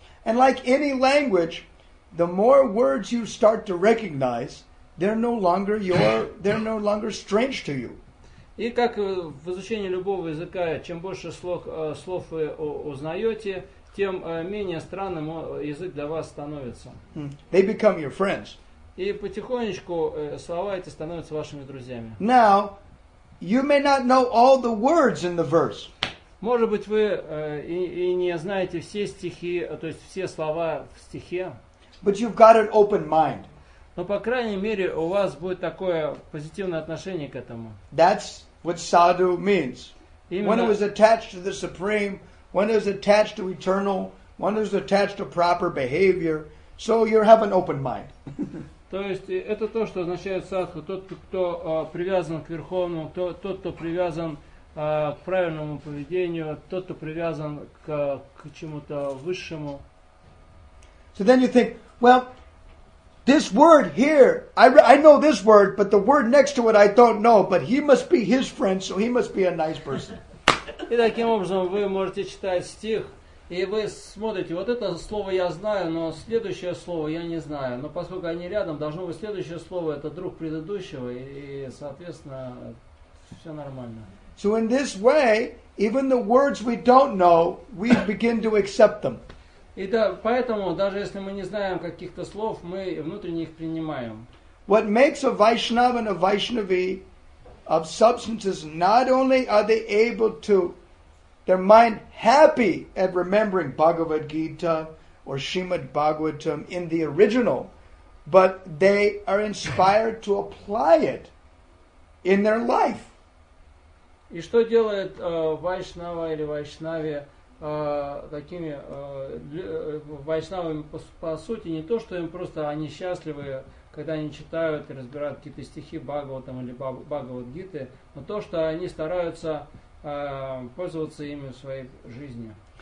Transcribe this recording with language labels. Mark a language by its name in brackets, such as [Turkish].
[English] And like any language, the more words you start to recognize, They're no longer strange to you. [Russian] И как в изучении любого языка, чем больше слов вы узнаете, тем менее странным язык для вас становится. [English] They become your friends. [Russian] И потихонечку слова эти становятся вашими друзьями. [English] Now, you may not know all the words in the verse. [Russian] Может быть, вы и не знаете все стихи, то есть все слова в стихе. [English] But you've got an open mind. [Russian] Но, по крайней мере, у вас будет такое позитивное отношение к этому. [English] That's what sadhu means. [Russian] Именно... [English] One who is attached to the supreme, one who is attached to eternal, one who is attached to proper behavior. So you have an open mind. [Russian] То есть, это то, что означает садху. Тот, кто привязан к верховному, тот, кто привязан к правильному поведению, тот, кто привязан к чему-то высшему. [English] So then you think, this word here, I know this word, but the word next to it I don't know, but he must be his friend, so he must be a nice person. [Russian] И таким образом вы можете читать стих, и вы смотрите, вот это слово я знаю, но следующее слово я не знаю. Но поскольку они рядом, должно быть следующее слово, это друг предыдущего, и, соответственно, все нормально. [English] So in this way, even the words we don't know, we begin to accept them. [Russian] И да, поэтому, даже если мы не знаем каких-то слов, мы внутренне их принимаем. [English] What makes a Vaishnava and a Vaishnavi of substances, not only are they able to, their mind happy at remembering Bhagavad Gita or Srimad Bhagavatam in the original, but they are inspired to apply it in their life. [Russian] И что делает Вайшнава или Вайшнаве такими Вайшнавами по сути, не то, что им просто они счастливы, когда они читают и разбирают какие-то стихи Бхагаватам или Бхагавад-гиты, но то, что они стараются пользоваться ими в своей жизни.